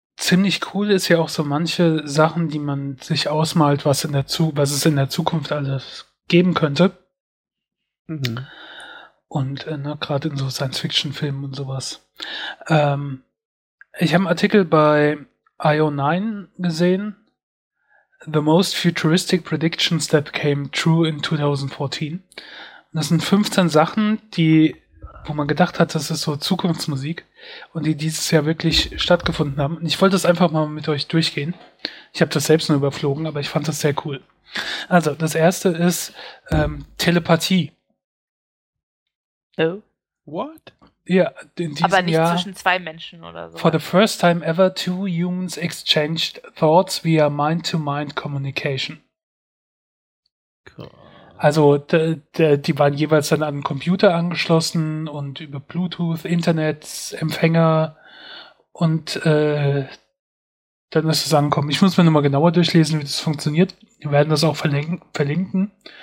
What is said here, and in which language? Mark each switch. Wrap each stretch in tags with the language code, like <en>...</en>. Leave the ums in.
<de>ziemlich cool ist ja auch so manche Sachen, die man sich ausmalt, was, in der Zu was es in der Zukunft alles geben könnte. Mhm. Und äh, ne, gerade in so Science-Fiction-Filmen und sowas. Ähm, ich habe einen Artikel bei IO9 gesehen.</de> <en>The most futuristic predictions that came true in 2014.</en> <de>Und das sind 15 Sachen, die, wo man gedacht hat, das ist so Zukunftsmusik und die dieses Jahr wirklich stattgefunden haben. Und ich wollte das einfach mal mit euch durchgehen. Ich habe das selbst nur überflogen, aber ich fand das sehr cool. Also, das erste ist ähm, Telepathie. Oh.</de> <en>What?</en> <de>Ja, in diesem Aber nicht Jahr zwischen zwei Menschen oder so.</de> <en>For the first time ever, two humans exchanged thoughts via mind-to-mind communication.</en> <de>Also d- d- die waren jeweils dann an den Computer angeschlossen und über Bluetooth, Internet, Empfänger und äh, dann ist es angekommen. Ich muss mir nochmal genauer durchlesen, wie das funktioniert. Wir werden das auch verlinken. verlinken.</de>